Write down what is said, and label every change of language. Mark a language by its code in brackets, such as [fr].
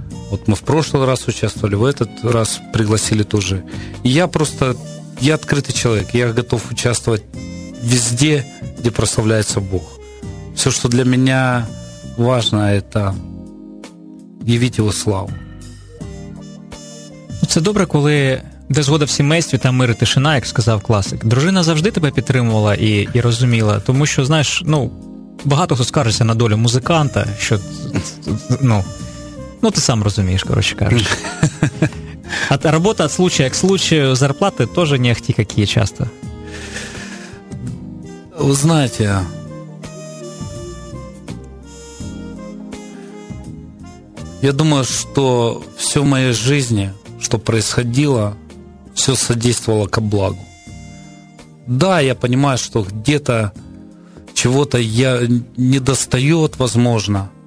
[ru] Вот мы в прошлый раз участвовали, в этот раз пригласили тоже. И я просто, я открытый человек, я готов участвовать везде, где прославляется Бог. Все, что для меня важно, это явить Его славу. [uk] Це добре, коли де згода в сімействі, там мир і тишина, як сказав класик. Дружина завжди тебе підтримувала і розуміла, тому що, знаєш, ну, багато хто скаржиться на долю музиканта, що, ну, ти сам розумієш, коротше кажучи. А робота від [ru] случая к случаю, [uk] зарплати теж не ахті які часто. Ви знаєте, [ru] я думаю, что все в моей жизни, что происходило, все содействовало ко благу. Да, я понимаю, что где-то чего-то я не достает, возможно.